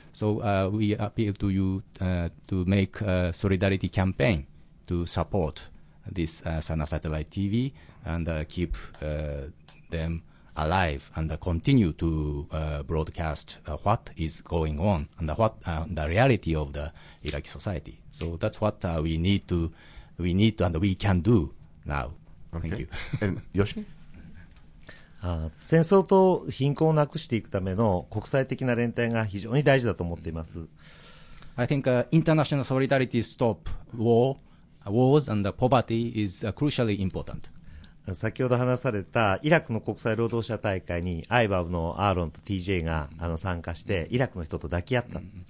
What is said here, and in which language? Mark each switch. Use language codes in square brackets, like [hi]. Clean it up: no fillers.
[en] So we appeal to you to make a solidarity campaign to support this Sana Satellite TV and keep them alive and continue to broadcast what is going on and what the reality of the Iraqi society. So that's what we need to and we can do now. Thank you. And Yoshi? [ja] 戦争と貧困をなくしていくための国際的な連帯が非常に大事だと思っています。 [en] I think international solidarity to stop wars and poverty is crucially important. [ja] 先ほど話されたイラクの国際労働者大会に IBAB のアーロンと TJ が参加してイラクの人と抱き合った。